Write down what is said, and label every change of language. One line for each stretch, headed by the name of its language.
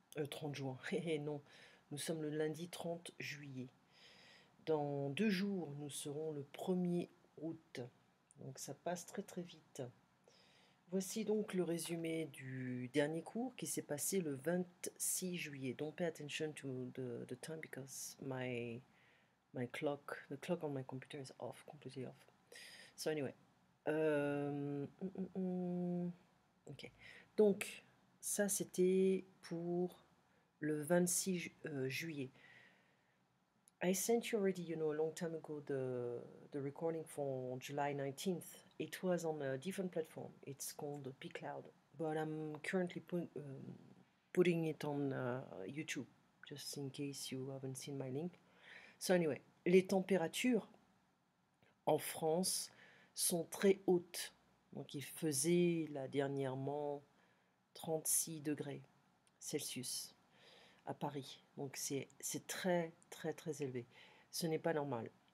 French: 30 juin, non, nous sommes le lundi 30 juillet. Dans 2 jours, nous serons le 1er août. Donc ça passe très très vite. Voici donc le résumé du dernier cours qui s'est passé le 26 juillet.
English: Don't pay attention to the time because the clock on my computer is off, completely off. So anyway, okay.
French: Donc ça c'était pour le 26 juillet.
English: I sent you already, a long time ago, the recording for July 19th. It was on a different platform. It's called PCloud, but I'm currently putting it on YouTube, just in case you haven't seen my link. So anyway,
French: les températures en France sont très hautes. Donc il faisait là dernièrement 36 degrés Celsius à Paris. Donc c'est très très très élevé. Ce n'est pas normal.